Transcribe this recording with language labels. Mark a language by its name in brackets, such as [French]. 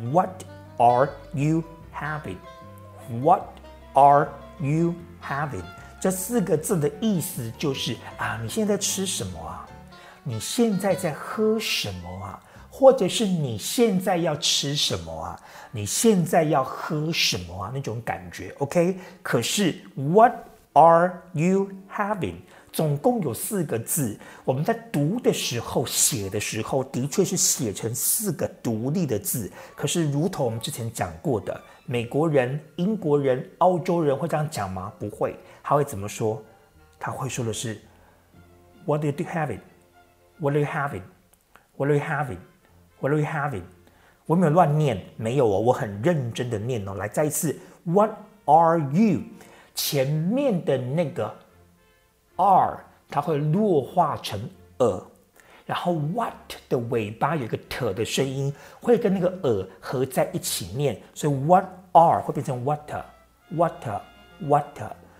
[English] What are you having? What are you having? [Chinese] 这四个字的意思就是啊，你现在吃什么啊？你现在在喝什么啊？或者是你现在要吃什么啊？你现在要喝什么啊？那种感觉 ，OK？可是 [English] What are you having？ [Chinese] 总共有四个字，我们在读的时候、写的时候，的确是写成四个独立的字。可是，如同我们之前讲过的，美国人、英国人、澳洲人会这样讲吗？不会，他会怎么说？他会说的是 [English] What are you having？ What are you having？ What are you having？ What are you having? [Chinese] 我没有乱念，没有哦，我很认真的念哦。来，再一次 [English] ，What are you? [Chinese] 前面的那个 are 它会弱化成 a， 然后 what 的尾巴有一个 t 的声音，会跟那个 a 合在一起念，所以 [English] what are [Chinese] 会变成 what。